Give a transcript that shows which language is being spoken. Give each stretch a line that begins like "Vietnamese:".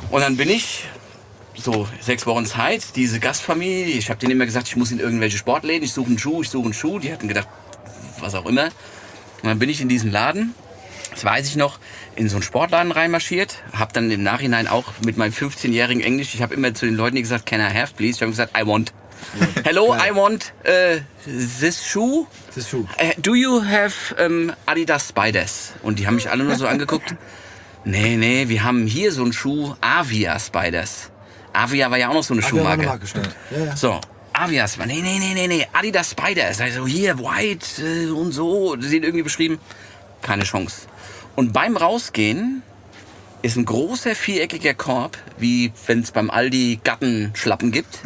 German: Und dann bin ich, so 6 Wochen Zeit, diese Gastfamilie, ich habe denen immer gesagt, ich muss in irgendwelche Sportläden, ich suche einen Schuh. Die hatten gedacht, was auch immer. Und dann bin ich in diesen Laden, das weiß ich noch, in so einen Sportladen reinmarschiert, habe dann im Nachhinein auch mit meinem 15-jährigen Englisch, ich habe immer zu den Leuten gesagt,
English: can I have, please?
German: Ich habe gesagt,
English: I want. Hello, I want this shoe. Do you have Adidas Spiders?
German: Und die haben mich alle nur so angeguckt. Nee, wir haben hier so einen Schuh, Avia Spiders. Avia war ja auch noch so eine Schuhmarke. Marke, stimmt. Ja, ja. So, Avia Spiders. Nee, Adidas Spiders. Also hier, white und so. Die sind irgendwie beschrieben. Keine Chance. Und beim Rausgehen ist ein großer viereckiger Korb, wie wenn es beim Aldi Gattenschlappen gibt.